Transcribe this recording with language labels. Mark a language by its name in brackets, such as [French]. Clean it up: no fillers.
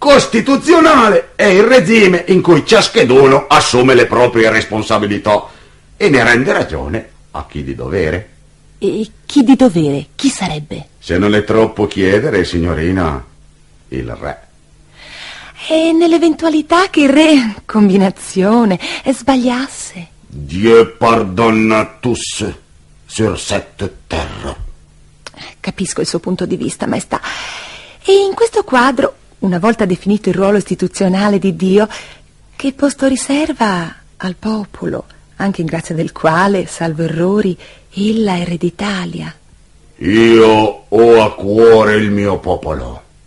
[Italian] Costituzionale è il regime in cui ciascheduno assume le proprie responsabilità e ne rende ragione a chi di dovere. E chi di dovere? Chi sarebbe? Se non è troppo chiedere, signorina, il re. E nell'eventualità che il re, combinazione, sbagliasse? [French] Dieu pardonne à tous sur cette terre. [Italian] Capisco il suo punto di vista, maestà. E in questo quadro, una volta definito il ruolo istituzionale di Dio, che posto riserva al popolo, anche in grazia del quale, salvo errori, ella è re d'Italia? Io ho a cuore il mio popolo.